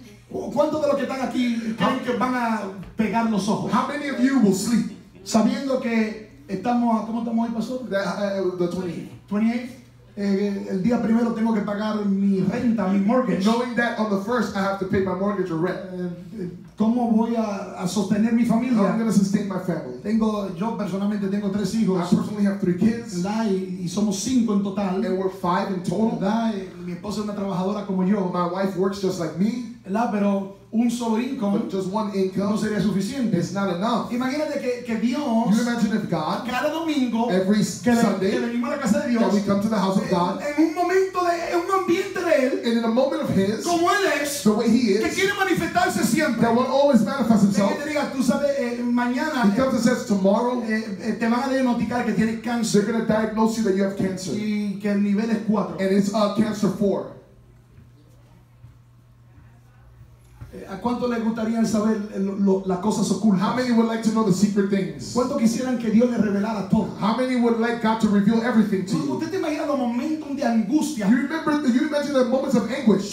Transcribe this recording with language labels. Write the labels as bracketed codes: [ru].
[es] ¿Cuántos de los que están aquí creen que van a pegar los ojos? [en] How many of you will sleep? [es] Sabiendo que estamos, ¿cómo estamos hoy, pastor? [en] The 28th. 28th. [es] el día primero tengo que pagar mi renta, mi mortgage. [en] Knowing that on the first I have to pay my mortgage or rent. [es] ¿Cómo voy a sostener mi familia? [en] How am I going to sustain my family? [es] Tengo, yo personalmente tengo tres hijos. [en] I personally have three kids. [es] Y somos cinco en total. [en] And we're five in total. [es] Mi esposa es una trabajadora como yo. [en] My wife works just like me. [es] Pero un solo income, [en] but just one income, [es] no sería suficiente. [en] It's not enough. [es] Imagínate que Dios, [en] you imagine if God, [es] cada domingo, [en] every Sunday, [es] que venimos a la casa de Dios, [en] that we come to the house of God, [es] en un momento de, en un ambiente de él, [en] and in a moment of his, [es] como él es, [en] the way he is, [es] que quiere manifestarse siempre, [en] that will always manifest himself. [es] Que te diga, tú sabes, mañana, [en] he comes and says, tomorrow, [es] te van a diagnosticar que tienes cáncer. [en] They're going to diagnose you that you have cancer. [es] Y que el nivel es cuatro. [en] And it's cancer 4. [es] ¿A cuánto les gustaría saber las cosas ocultas? [en] How many would like to know the secret things? [es] ¿Cuánto quisieran que Dios les revelara todo? [en] How many would like God to reveal everything to you? [es] ¿Usted te imagina los momentos de angustia? [en] You remember the, you imagine the moments of anguish?